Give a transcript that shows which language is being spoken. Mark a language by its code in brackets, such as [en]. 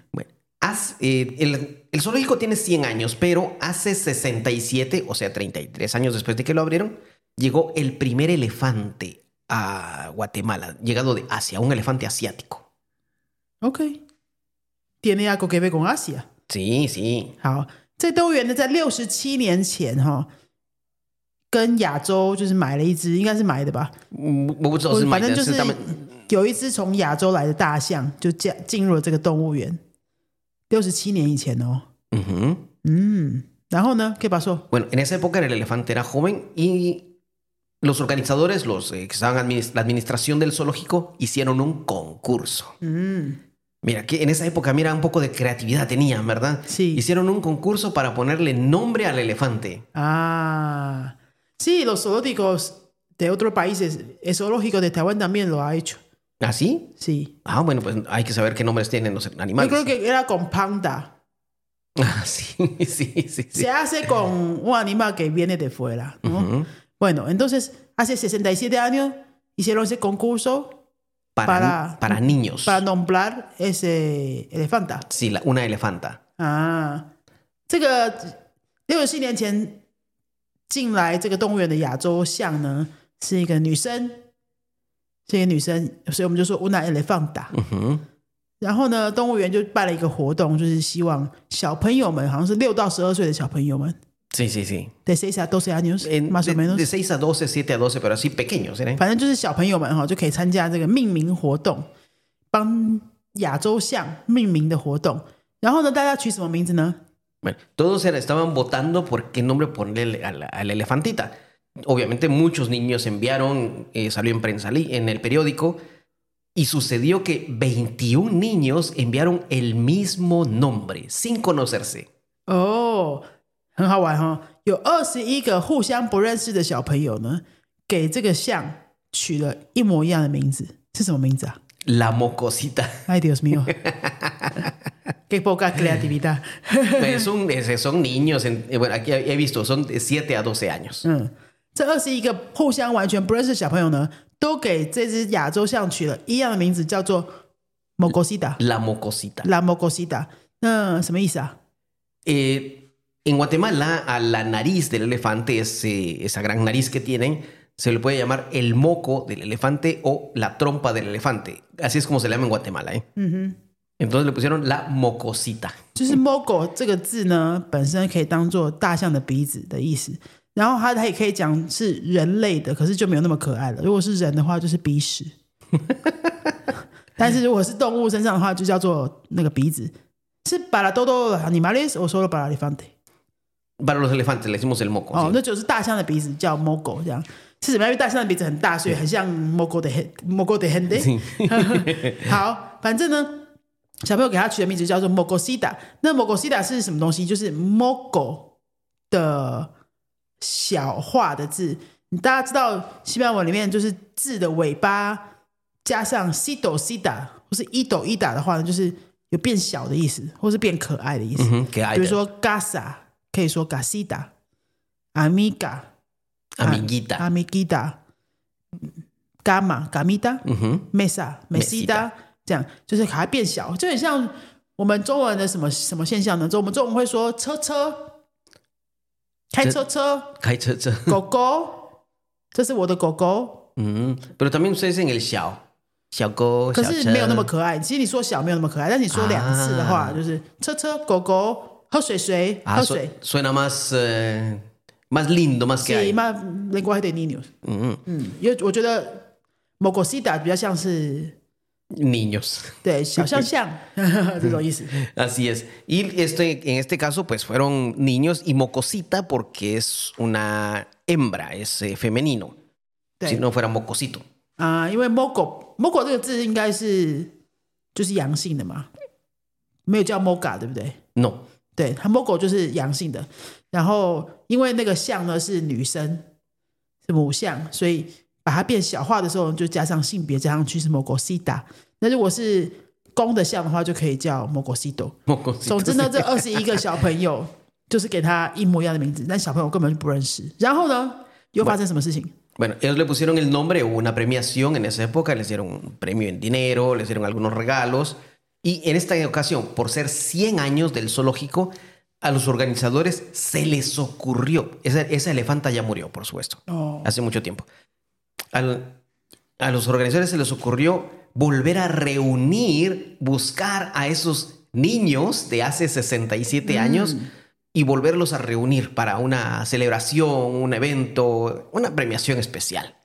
[es] Bueno, el zoológico tiene 100 años, pero hace 67, o sea, 33 años después de que lo abrieron, llegó el primer elefante a Guatemala, llegado de Asia, un elefante asiático. [en] Ok. [es] ¿Tiene algo que ver con Asia? Sí, sí. [zh] 好, 67年前, 跟亚洲就是买了一只，应该是买的吧。我不知道是买的，反正就是有一只从亚洲来的大象，就进入了这个动物园。 67年以前哦。嗯哼。嗯，然后呢 ？ [es] ¿Qué pasó? Bueno, en esa época el elefante era joven y los organizadores, los que estaban la administración del zoológico, hicieron un concurso. Mm. Mira, que en esa época, mira, un poco de creatividad tenían, ¿verdad? Sí. Hicieron un concurso para ponerle nombre al elefante. Ah. Sí, los zoológicos de otros países, el zoológico de Taiwán también lo ha hecho. ¿Ah, sí? Sí. Ah, bueno, pues hay que saber qué nombres tienen los animales. Yo creo que era con panda. Ah, sí, sí, sí. Se hace con un animal que viene de fuera, ¿no? [en] Uh-huh. [es] Bueno, entonces, hace 67 años hicieron ese concurso para niños. Para nombrar ese elefanta. Sí, una elefanta. [zh] Ah, 这个67年前进来这个动物园的亚洲象呢，是一个女生，是一个女生，所以我们就说 [es] una elefanta。嗯、 [zh] 然后呢，动物园就办了一个活动，就是希望小朋友们，好像是6到12岁的小朋友们。 [es] Sí, sí, sí. De 6 a 12 años, más o menos. De 6 a 12, 7 a 12, pero así pequeños. ¿Eh? [zh] 反正就是小朋友们就可以参加这个命名活动，帮亚洲象命名的活动。然后呢，大家取什么名字呢？ [es] Bueno, todos estaban votando por qué nombre ponerle a la elefantita. Obviamente muchos niños enviaron, salió en prensa, en el periódico, y sucedió que 21 niños enviaron el mismo nombre, sin conocerse. [zh] Oh, 很好玩哦。有21个互相不认识的小朋友呢，给这个象取了一模一样的名字。是什么名字啊？ [es] La mocosita. Ay, Dios mío. Qué poca creatividad. son niños, bueno, aquí he visto, son de 7 a 12 años. [zh] 嗯，这21个互相完全不认识的小朋友呢，都给这只亚洲象取了一样的名字，叫做 mocosita. [es] La mocosita. La mocosita. [zh] 那什么意思啊？ [es] En Guatemala, a la nariz del elefante, esa gran nariz que tienen, se le puede llamar el moco del elefante o la trompa del elefante. Así es como se le llama en Guatemala, ¿eh? [en] Uh-huh. [es] Entonces le pusieron la mocosita. [zh] 就是 moco 这个字呢，本身可以当做大象的鼻子的意思，然后它也可以讲是人类的，可是就没有那么可爱了。如果是人的话，就是鼻屎。但是如果是动物身上的话，就叫做那个鼻子。是 [es] para todos los animales o solo para elefante？ Para los elefantes le decimos el moco. Oh, ¿sí? [zh] 那就是大象的鼻子叫 moco, 这样。是什么？因为大象的鼻子很大，所以很像 [es] moco de gente。 Sí. [zh] 好，反正呢，小朋友给他取的名字叫做 mocosita。那 mocosita 是什么东西？就是 moco 的小化的字。大家知道西班牙文里面就是字的尾巴加上 sitosita 或是 itoita 的话呢，就是有变小的意思，或是变可爱的意思。嗯、可爱的。比如说 casa。可以说 [es] casita, amiga, amiguita, amiguita, cama, camita,、 [en] uh-huh. [es] mesa, mesita, [zh] 这样就是还变小，就很像我们中文的什 什么现象呢？我们中文会说车车，开车车，开车车，狗狗，这是我的狗狗。 [es] 嗯，pero también ustedes dicen el [zh] 小小狗，可是没有那么可爱。其实你说小没有那么可爱，但是你说两次的话，啊、就是车车、狗狗、喝水水、啊、喝水。 [es] suena más, más lindo, más que hay. Sí, más lenguaje de niños. 嗯 [zh] 嗯，因为我觉得 mocosita 比较像是 [es] niños. [zh] 对，小象象这种意思。 [es] Así es. Y esto, en este caso, pues fueron niños y mocosita porque es una hembra, es femenino. Si no fuera mocosito. [zh] 啊、因为 moco。 Moco 这个字应该是就是阳性的嘛，没有叫 Moga 对不对 [es] ？No， [zh] 对，它 Moco 就是阳性的。然后因为那个象呢是女生，是母象，所以把它变小化的时候就加上性别加上去是 Mocosita。那如果是公的象的话，就可以叫 Mocosito。总之呢，这二十一个小朋友就是给他一模一样的名字，但小朋友根本就不认识。然后呢，又发生什么事情？ [es] Bueno, ellos le pusieron el nombre, hubo una premiación en esa época, les dieron un premio en dinero, les dieron algunos regalos. Y en esta ocasión, por ser 100 años del zoológico, a los organizadores se les ocurrió. Esa elefanta ya murió, por supuesto, hace mucho tiempo. A los organizadores se les ocurrió volver a reunir, buscar a esos niños de hace 67 años, y volverlos a reunir para una celebración, un evento, una premiación especial.